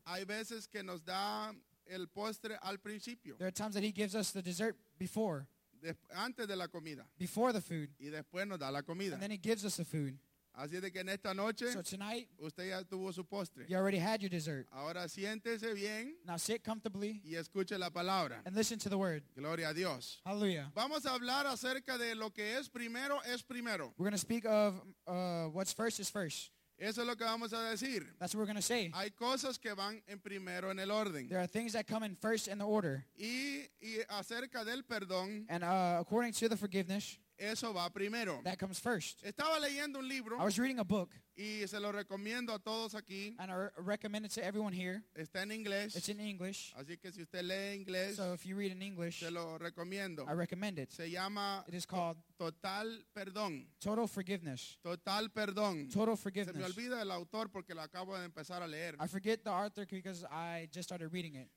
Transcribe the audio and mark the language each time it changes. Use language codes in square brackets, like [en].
[es] Hay veces que nos da el postre al principio. [en] There are times that he gives us the dessert before. [es] Antes de la comida. [en] Before the food. [es] Y después nos da la comida. [en] And then he gives us the food. [es] Así de que en esta noche, [en] so tonight, [es] usted ya tuvo su postre. [en] You already had your dessert. [es] Ahora siéntese bien. [en] Now sit comfortably. [es] Y escuche la palabra. [en] And listen to the word. [es] Gloria a Dios. [en] Hallelujah. [es] Vamos a hablar acerca de lo que es primero. [en] We're going to speak of what's first is first. [es] Eso es lo que vamos a decir. [en] That's what we're going to say. [es] Hay cosas que van en primero en el orden. [en] There are things that come in first in the order. [es] Y acerca del perdón. [en] And according to the forgiveness. [es] Eso va primero. [en] That comes first. [es] Estaba leyendo un libro. [en] I was reading a book. [es] Y se lo recomiendo a todos aquí. [en] And I recommend it to everyone here. [es] Está en inglés. [en] It's in English. [es] Así que si usted lee inglés. [en] So if you read in English. [es] Se lo recomiendo. [en] I recommend it. [es] Se llama. [en] It is called. [es] Total Perdón. [en] Total Forgiveness. [es] Total Perdón. [en] Total Forgiveness. [es] Se me olvida el autor porque lo acabo de empezar a leer. [en] I forget the author because I just started reading it.